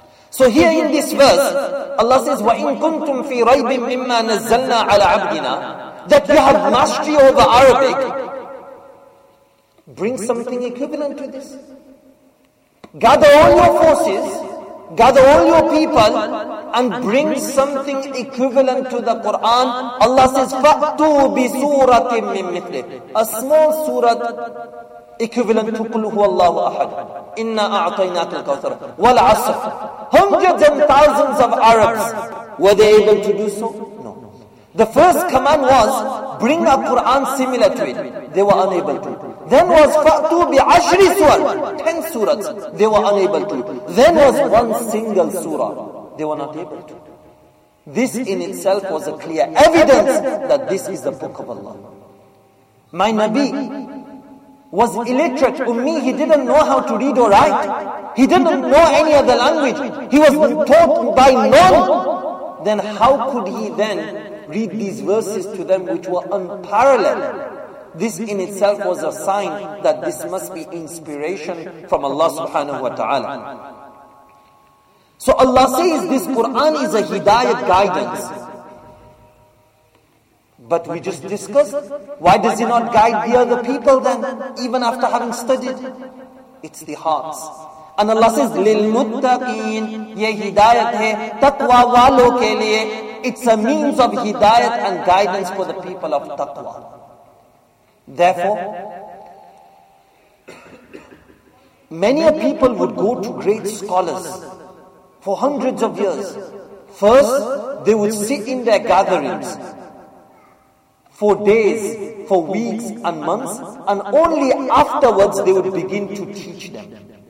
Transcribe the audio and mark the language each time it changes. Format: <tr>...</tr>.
<en>So here in this verse, Allah says,</en> <ar>وَإِن كُنْتُمْ فِي رَيْبٍ مِمَّا نَزَّلْنَا عَلَىٰ عَبْدِنَا,</ar> <en>that you have mastery over Arabic. Bring something equivalent to this. Gather all your forces, gather all your people, and bring something equivalent to the Quran. Allah says,</en> <ar>فَأْتُوا بِسُورَةٍ مِّن مِثْلِهِ,</ar> <en>a small surah equivalent to</en> <ar>قُلْ هُوَ اللَّهُ أَحَدٌ إِنَّا أَعْطَيْنَاكَ الْكَوْثَرَ وَالْعَصْرَ.</ar> <en>Hundreds and thousands of Arabs, were they able to do so? No. The first command was, bring a Quran similar to it. They were unable to. Then was</en> <ar>فَأْتُوا بِعَشْرِ سُورَةٍ,</ar> <en>10 surahs, they were unable to. Then was one single surah, they were not able to. This in itself was a clear evidence that this is the book of Allah. My Nabi was illiterate, ummi. He didn't know how to read or write. He didn't know any other language. He was taught by none. Then how could he then read these verses to them which were unparalleled? This in itself was a sign that this must be inspiration from Allah subhanahu wa ta'ala. So Allah says this Quran is a hidayat guidance. But we just discussed, why does he not guide the other people then, even after having studied? It's the hearts. And Allah says,</en> <ar>للمتقين</ar> <ur>یہ ہدایت ہے تقوی والوں کے لئے.</ur> <en>It's a means of hidayat and guidance for the people of taqwa. Therefore, many a people would go to great scholars for hundreds of years. First, they would sit in their gatherings for days, for weeks and months, and only afterwards they would begin to teach them.</en>